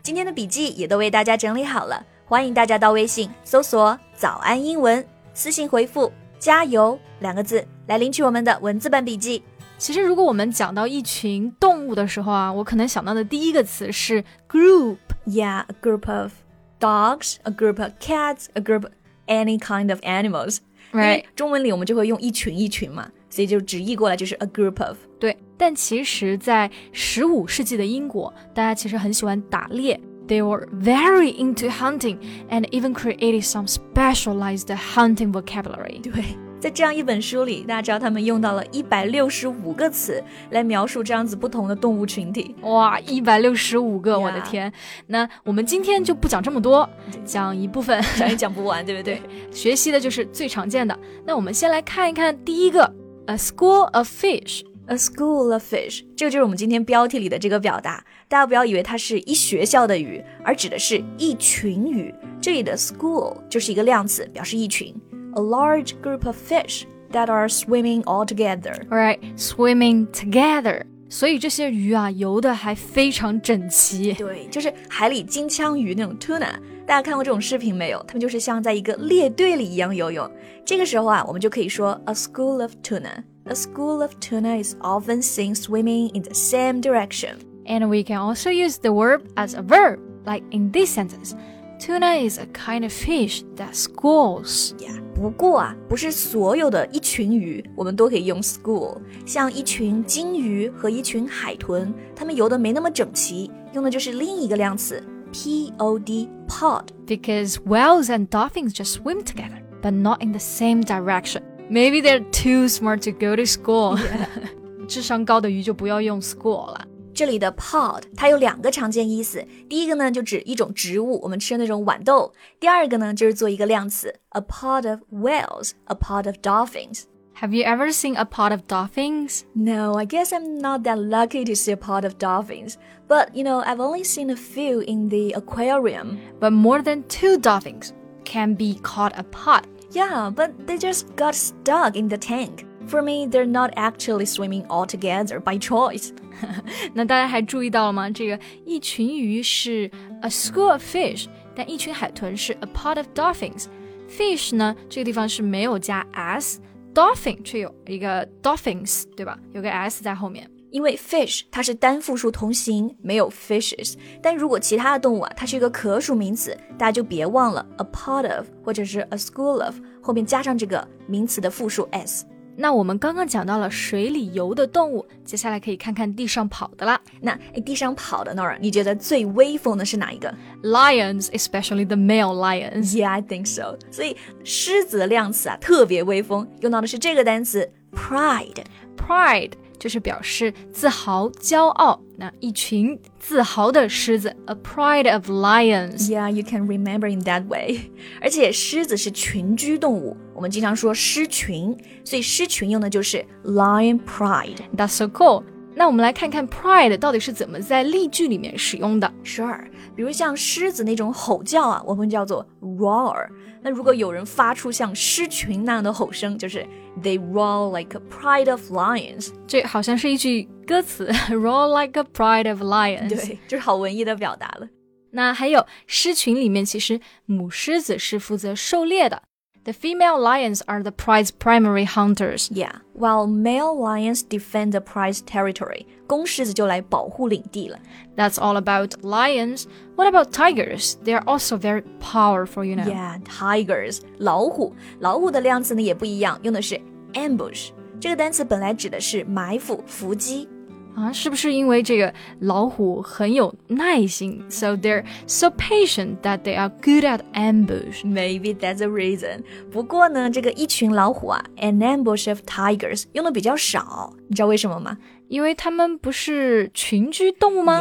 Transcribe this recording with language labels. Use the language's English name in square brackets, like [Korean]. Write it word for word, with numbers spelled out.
[Chinese] 今天的笔记也都为大家整理好了，欢迎大家到微信搜索早安英文，私信回复加油两个字来领取我们的文字版笔记。其实如果我们讲到一群动物的时候啊，我可能想到的第一个词是 group。 [English] Yeah, a group of dogs, a group of cats, a group of any kind of animals. Right. [Chinese] 中文里我们就会用一群一群嘛，所以就直译过来就是 a group of。对，但其实在十五世纪的英国，大家其实很喜欢打猎。 [English] They were very into hunting and even created some specialized hunting vocabulary. [Chinese] 对，在这样一本书里，大家知道他们用到了一百六十五个词来描述这样子不同的动物群体。哇 ,一百六十五 个、yeah. 我的天。那我们今天就不讲这么多，讲一部分。讲也讲不完，对不 对, 对，学习的就是最常见的。那我们先来看一看第一个 , [English] A school of fish. A school of fish， [Chinese] 这个就是我们今天标题里的这个表达。大家不要以为它是一学校的鱼，而指的是一群鱼。这里的 school 就是一个量词，表示一群。 [English] A large group of fish that are swimming all together. All right, swimming together. [Chinese] 所以这些鱼啊，游的还非常整齐。对，就是海里金枪鱼那种 tuna。大家看过这种视频没有？它们就是像在一个列队里一样游泳。这个时候啊，我们就可以说 [English] a school of tuna. A school of tuna is often seen swimming in the same direction. And we can also use the verb as a verb, like in this sentence. Tuna is a kind of fish that schools. [Chinese] Yeah, 不过啊，不是所有的一群鱼我们都可以用 school. 像一群鲸鱼和一群海豚，它们游得没那么整齐，用的就是另一个量词 pod, pod. [English] Because whales and dolphins just swim together, but not in the same direction. Maybe they're too smart to go to school. Yeah. [Chinese] 智商高的鱼就不要用 school 了。这里的 pod 它有两个常见意思，第一个呢就指一种植物，我们吃的那种豌豆；第二个呢就是做一个量词 ， [English] a pod of whales, a pod of dolphins. Have you ever seen a pod of dolphins? No, I guess I'm not that lucky to see a pod of dolphins. But you know, I've only seen a few in the aquarium. But more than two dolphins can be caught a pod. Yeah, but they just got stuck in the tank. For me, they're not actually swimming all together by choice. [Chinese] 那大家还注意到了吗？这个一群鱼是 [English] a school of fish， [Chinese] 但一群海豚是 [English] a pod of dolphins. [Chinese] Fish 呢，这个地方是没有加 s， dolphin 却有一个 dolphins， 对吧？有个 s 在后面。因为 fish 它是单复数同形，没有 fishes， 但如果其他的动物啊，它是一个可数名词，大家就别忘了 a pod of 或者是 a school of 后面加上这个名词的复数 s。那我们刚刚讲到了水里游的动物，接下来可以看看地上跑的啦。那地上跑的 Nora， 你觉得最威风的是哪一个？ [English] Lions, especially the male lions. Yeah, I think so. [Chinese] 所以狮子的量词啊特别威风，用到的是这个单词 pride。 Pride就是表示自豪、骄傲，那一群自豪的狮子 [English] A pride of lions. Yeah, you can remember in that way. [Chinese] 而且狮子是群居动物，我们经常说狮群，所以狮群用的就是 lion pride. [English] That's so cool. [Chinese] 那我们来看看 pride 到底是怎么在例句里面使用的。 Sure, 比如像狮子那种吼叫啊，我们叫做 roar. 那如果有人发出像狮群那样的吼声，就是 [English] They roar like a pride of lions. [Chinese] 这好像是一句歌词， [English] Roar like a pride of lions. [Chinese] 对，就是好文艺的表达了。那还有狮群里面，其实母狮子是负责狩猎的。 [English] The female lions are the pride's primary hunters. Yeah, while male lions defend the pride's territory. [Chinese] 公狮子就来保护领地了。 [English] That's all about lions. What about tigers? They are also very powerful, you know. Yeah, tigers. [Chinese] 老虎，老虎的量词呢也不一样，用的是 ambush. 这个单词本来指的是埋伏、伏击。啊，是不是因为这个老虎很有耐心 [English] So they're so patient that they are good at ambush. Maybe that's the reason. [Chinese] 不过呢，这个一群老虎啊 [English] An ambush of tigers [Chinese] 用的比较少，你知道为什么吗？因为它们不是群居动物吗